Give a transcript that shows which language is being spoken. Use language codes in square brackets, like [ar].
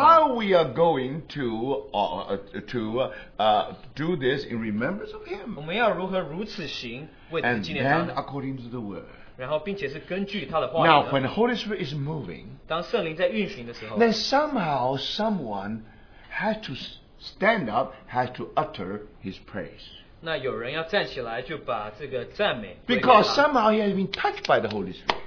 [en] how we are going to do this in remembrance of Him? [zh] 我们要如何如此行为纪念他呢? [en] And then according to the Word. [zh] 然后并且是根据他的话语的, [en] now, when the Holy Spirit is moving, [zh] 当圣灵在运行的时候, [en] then somehow someone has to stand up, has to utter his praise. [zh] 那有人要站起来就把这个赞美, [en] because somehow he has been touched by the Holy Spirit.